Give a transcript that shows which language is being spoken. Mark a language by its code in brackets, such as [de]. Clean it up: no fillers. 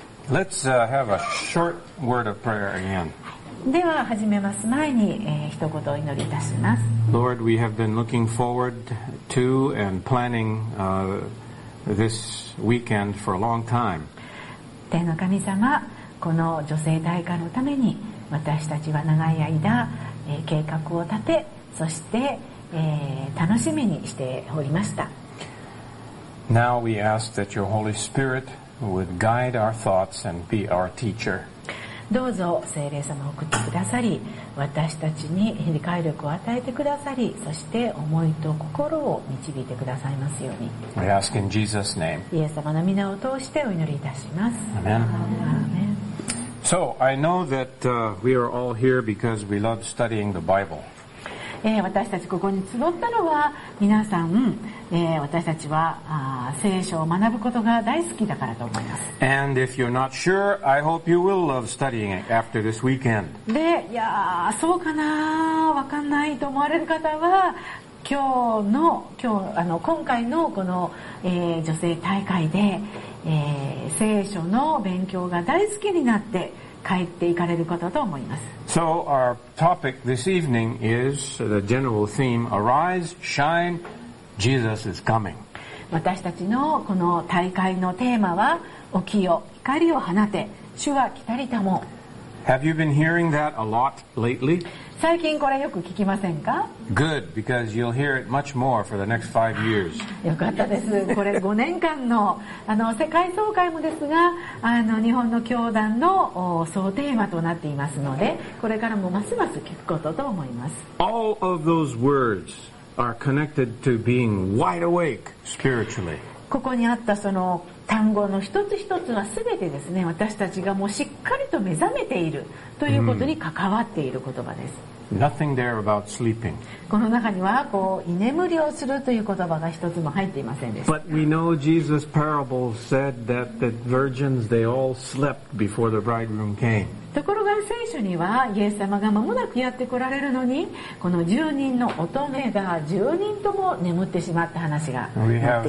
[en] Let's have a short word of prayer again. [ja] では始めます前に、一言お祈りいたします。 [en] Lord, we have been looking forward to and planning this weekend for a long time. [ja] 天の神様、この女性大会のために私たちは長い間、計画を立て、そして、楽しみにしておりました。 [en] Now we ask that your Holy Spirit would guide our thoughts and be our teacher. [ja] どうぞ聖霊様を送ってくださり、私たちに理解力を与えてくださり、そして思いと心を導いてくださいますように。 [en] We ask in Jesus' name. [ja] イエス様の御名を通してお祈りいたします。 [en] Amen. Amen. So I know that we are all here because we love studying the Bible. [ja] 私たちここに集ったのは皆さん、私たちは聖書を学ぶことが大好きだからと思います。 [en] And if you're not sure, I hope you will love studying it after this weekend. [ja] で、いやー、そうかな、わかんないと思われる方は、今回のこの、女性大会で、聖書の勉強が大好きになって帰っていかれることと思います。 [en] So our topic this evening is the general theme: Arise, shine, Jesus is coming. [ja] 私たちのこの大会のテーマは、起きよ、光を放て、主は来たりたも。 [en] Have you been hearing that a lot lately? [ja] 最近これよく聞きませんか? [en] Good, because you'll hear it much more for the next five years. [ja] よかったです。これ5年間の、世界総会もですが、日本の教団の総テーマとなっていますので、これからもますます聞くことと思います。 [en] All of those words are connected to being wide awake spiritually. [ja] ここにあったその単語の一つ一つは全てですね、私たちがもうしっかりと目覚めているということに関わっている言葉です。 [en] Nothing there about sleeping. [ja] この中にはこう居眠りをするという言葉が一つも入っていませんでした。 [en] But we know Jesus' parable said that the virgins, they all slept before the bridegroom came. [ja] ところが聖書にはイエス様が間もなくやって来られるのに、この10人の乙女が10人とも眠ってしまった話が載っています。